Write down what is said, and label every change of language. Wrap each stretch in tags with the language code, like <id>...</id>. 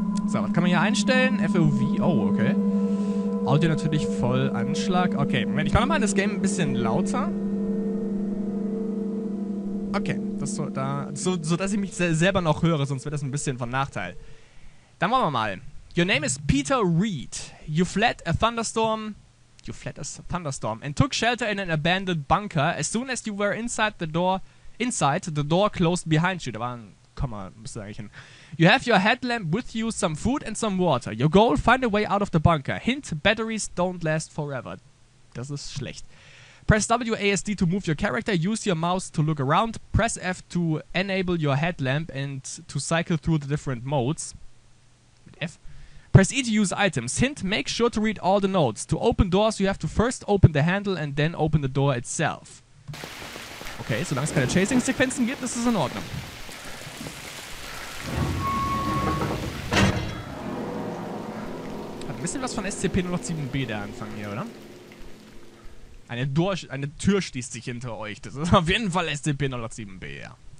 <de>So, was kann man hier einstellen? FOV. Oh, okay. Audio natürlich voll Anschlag. Okay, Moment, ich mache mal das Game ein bisschen lauter. Okay, das so, da, so dass ich mich selber noch höre, sonst wird das ein bisschen von Nachteil. Dann wollen wir mal.</de> <en>Your name is Peter Reed. You fled a thunderstorm and took shelter in an abandoned bunker. As soon as you were inside, the door closed behind you.</en> <de>Da war ein Komma, müsste eigentlich hin.</de> <en>You have your headlamp with you, some food and some water. Your goal, find a way out of the bunker. Hint, batteries don't last forever.</en> <de>Das ist schlecht.</de> <en>Press WASD to move your character. Use your mouse to look around. Press F to enable your headlamp and to cycle through the different modes.</en> <de>Mit F.</de> <en>Press E to use items. Hint, make sure to read all the notes. To open doors, you have to first open the handle and then open the door itself.</en> <de>Okay, solange es keine Chasing-Sequenzen gibt, ist es in Ordnung. Ein bisschen was von SCP-07B, der Anfang hier, oder? Eine Tür schließt sich hinter euch. Das ist auf jeden Fall SCP-07B, ja.</de>